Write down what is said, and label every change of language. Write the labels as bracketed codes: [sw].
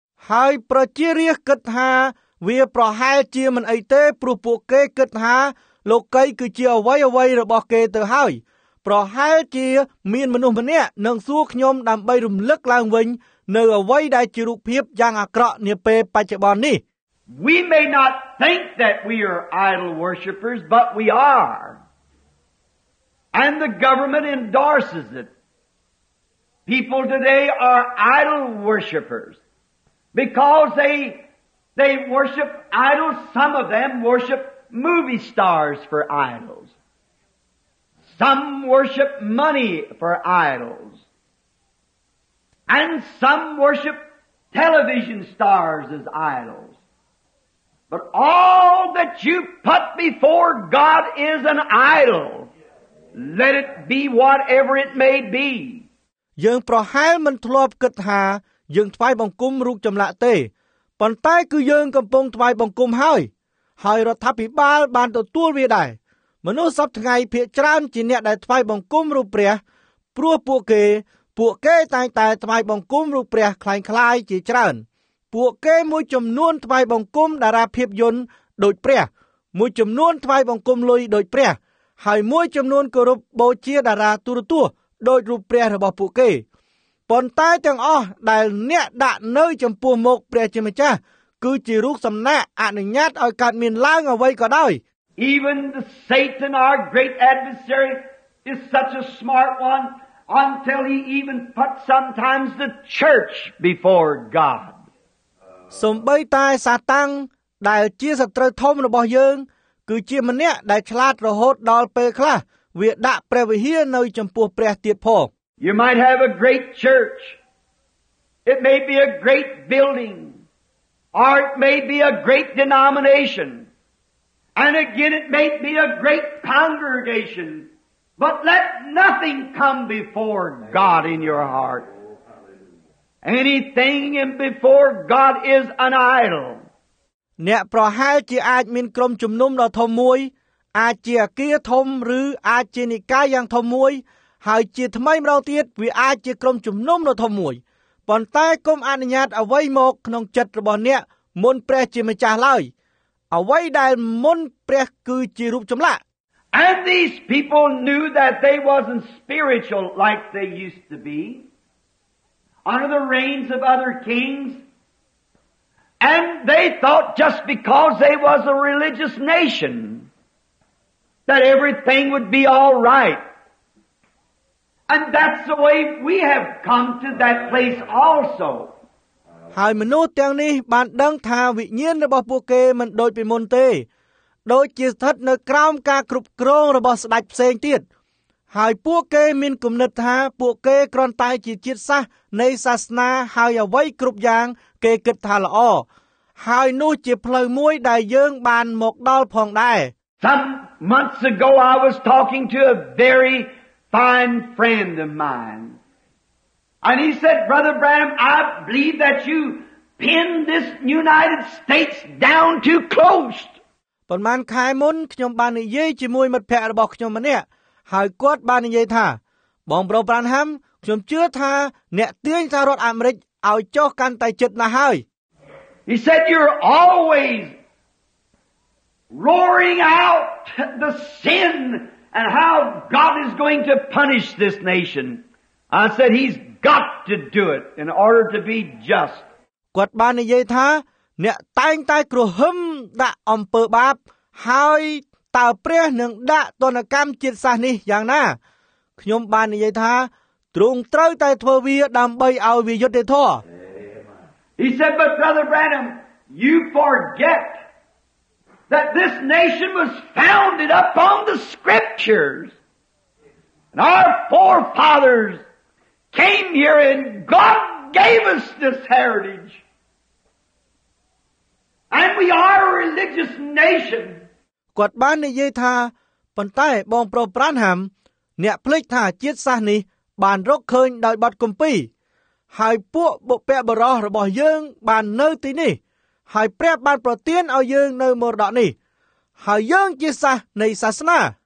[km] ហើយប្រជារាស្ត្រគិតថាវាប្រហែលជាមិនអីទេព្រោះពួកគេគិតថាលោកីគឺជាអ្វីអ្វីរបស់គេទៅហើយប្រហែលជាមានមនុស្សម្នាក់នឹងសួរខ្ញុំដើម្បីរំលឹកឡើងវិញនៅអ្វីដែលជារូបភាពយ៉ាងអាក្រក់នាពេលបច្ចុប្បន្ននេះ [en] We may not think that we are idol worshippers, but we are. And the government endorses it. People today are idol worshippers because they worship idols. Some of them worship movie stars for idols. Some worship money for idols. And some worship television stars as idols. But all that you put before God is an idol. Let it be whatever it may be. [km] យើងប្រហែលមិនធ្លាប់គិតថាយើងថ្វាយបង្គំរូបចម្លាក់ទេប៉ុន្តែគឺយើងកំពុងថ្វាយបង្គំហើយហើយរដ្ឋាភិបាលបានទទួលវាដែរមនុស្សសពថ្ងៃភាកច្រើនជាអ្នកដែលថ្វាយបង្គំរូបព្រះព្រោះពួក គេតែងតែថ្វាយបង្គំរូបព្រះ [th] คล้ายๆ [km] ជាច្រើនពួកគេមួយចំនួនថ្វាយបង្គំតារាភាពយន្តដោយព្រះមួយចំនួនថ្វាយបង្គំលុយដោយព្រះហើយមួយចំនួនគោរពបូជាតារាទូរទស្សន៍ដោយរូបព្រះរបស់ពួកគេប៉ុន្តែទាំងអស់ដែលអ្នកដាក់នៅចំពោះមុខព្រះជាម្ចាស់គឺជារូបសំណាកអនុញ្ញាតឲ្យកើតមានឡើងអ្វីក៏ដោយ [en] Even the Satan our great adversary is such a smart one until he even put sometimes the church before God [km] សម្បីតែសាតាំងដែលជាសត្រូវធំរបស់យើងគឺជាម្នាក់ដែលឆ្លាតរហូតដល់ពេលខ្លះវាដាក់ព្រះវិហារនៅចំពោះព្រះទៀតផង [en] You might have a great church. It may be a great building. Or it may be a great denomination. And again it may be a great congregation. But let nothing come before God in your heart. Anything before God is an idol. [km] អ្នកប្រហែលជាអាចមានក្រុមជំនុំដ៏ធំមួយអាចជាអគារធំឬអាចជានិកាយយ៉ាងធំមួយហើយជាថ្មីម្ដងទៀតវាអាចជាក្រុមជំនុំដ៏ធំមួយប៉ុន្តែគុំអនុញ្ញាតអ្វីមកក្នុងចិត្តរបស់អ្នកមុនព្រះជាម្ចាស់ឡើយអ្វីដែលមុនព្រះគឺជារូបចម្លាក់ [en] And these people knew that they wasn't spiritual like they used to be. Under the reigns of other kings, and they thought just because they was a religious nation that everything would be all right. And that's the way we have come to that place also. [km] ហើយមនុស្សទាំងនេះបានដឹងថាវិញ្ញាណរបស់ពួកគេមិនដូចពីមុនទេដូចជាស្ថិតនៅក្រោមការគ្រប់គ្រងរបស់ស្ដេចផ្សេងទៀតហើយពួកគេមានគំនិតថាពួកគេគ្រាន់តែជាជាតិសាសន៍នៃសាសនាហើយអ្វីគ្រប់យ៉ាងគេគិតថាល្អហើយនោះជាផ្លូវមួយដែលយើងបានមកដល់ផងដែរ [en] Some months ago I was talking to a very fine friend of mine and he said brother Branham I believe that you pin this United States down too close [km] ប៉ុន្មានខែមុនខ្ញុំបាននិយាយជាមួយមិត្តភក្តិរបស់ខ្ញុំម្នាក់ហើយគាត់បាននិយាយថាបងប្រុសប្រាន់ហាំខ្ញុំជឿថាអ្នកទាញសាររដ្ឋអាមេរិកឲ្យចុះកាន់តែជិតណាស់ហើយ [en] He said you're always roaring out the sin and how God is going to punish this nation. I said he's got to do it in order to be just. [km] គាត់បាននិយាយថាអ្នកតែងតែគ្រហឹមដាក់អំពើបាបហើយតើព្រះនឹងដាក់ទណ្ឌកម្មជាតិសាសន៍នេះយ៉ាងណាខ្ញុំបាននិយាយថា ទ្រង់ត្រូវតែធ្វើវាដើម្បីឲ្យវាយុត្តិធម៌ [en] He said but brother Branham you forget that this nation was founded upon the scriptures and our forefathers came here and God gave us this heritage and we are a religious nation [km] គាត់បាននិយាយថាប៉ុន្តែបងប្រុសប្រានហាំអ្នកភ្លេចថាជាតិសាសន៍នេះបានរកឃើញដោយបាត់គម្ពីរហើយពួកបុព្វបុរសរបស់យើងបាននៅទីនេះហើយព្រះបានប្រទានឲ្យយើងនៅមរតកនេះហើយយើងជាសាសន៍នៃសាសនា